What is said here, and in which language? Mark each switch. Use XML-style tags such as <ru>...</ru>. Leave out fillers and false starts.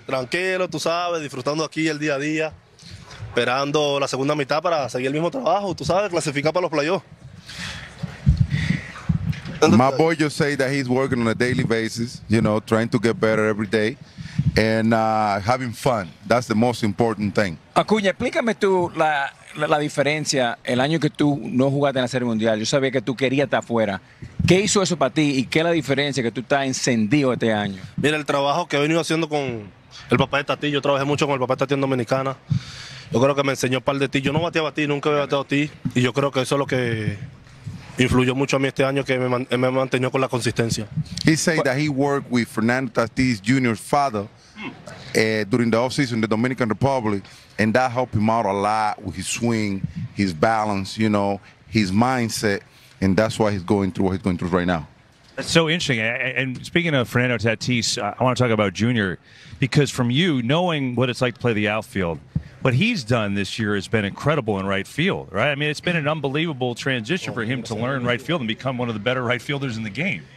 <es>Tranquilo, tú sabes, disfrutando aquí el día a día, esperando la segunda mitad para seguir el mismo trabajo, tú sabes, clasificar para los playoffs.</es> <en>My boy just said that he's working on a daily basis, you know, trying to get better every day and having fun. That's the most important thing.</en> <es>Acuña, explícame tú la diferencia el año que tú no jugaste en la Serie Mundial. Yo sabía que tú querías estar afuera. ¿Qué hizo eso para ti y qué es la diferencia que tú estás encendido este año? Mira, el trabajo que he venido haciendo con el papá de Tatí. Yo trabajé mucho con el papá de Tatí en Dominicana. Yo creo que me enseñó un par de ti. Yo no bateaba a ti, nunca había bateado a ti. Y yo creo que eso es lo que influyó mucho a mí este año, que me mantenió con la consistencia.</es> <en>He said that he worked with Fernando Tatís Jr.'s father during the offseason in the Dominican Republic, and that helped him out a lot with his swing, his balance, you know, his mindset, and that's why he's going through what he's going through right now. That's so interesting. And speaking of Fernando Tatís, I want to talk about Jr., because from you, knowing what it's like to play the outfield, what he's done this year has been incredible in right field, right? I mean, it's been an unbelievable transition for him to learn right field and become one of the better right fielders in the game.</en>